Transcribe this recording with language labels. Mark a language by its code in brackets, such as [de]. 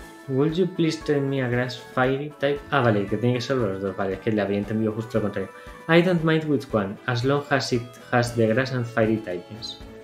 [en] Would you please tell me a Grass Fiery Type? [es] Ah, vale, que tiene que ser los dos. Vale, es que le había entendido justo lo contrario. [en] I don't mind which one, as long as it has the Grass and Fiery Types.